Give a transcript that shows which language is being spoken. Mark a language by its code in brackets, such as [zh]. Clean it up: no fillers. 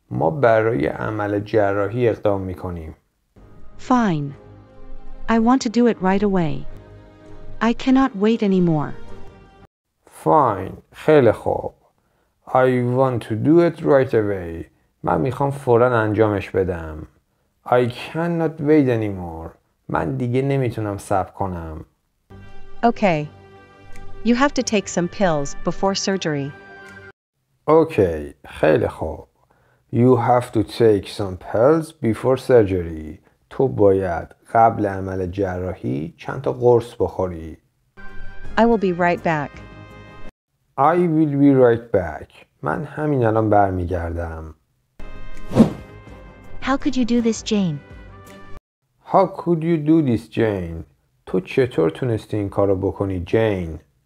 [fa] ما برای عمل جراحی اقدام میکنیم. [en] Fine. I want to do it right away. I cannot wait anymore. Fine. [fa] خیلی خوب. [en] I want to do it right away. [fa] من میخوام فوراً انجامش بدم. [en] I cannot wait anymore. [fa] من دیگه نمیتونم صبر کنم. [en] Okay. You have to take some pills before surgery. [fa] Okay, خیلی خوب. [en] You have to take some pills before surgery. [fa] تو باید قبل عمل جراحی چند تا قرص بخوری. [en] I will be right back. I will be right back. [fa] من همین الان برمیگردم. [en] How could you do this, Jane? How could you do this, Jane? [fa] تو چطور تونستی این کارو بکنی, Jane?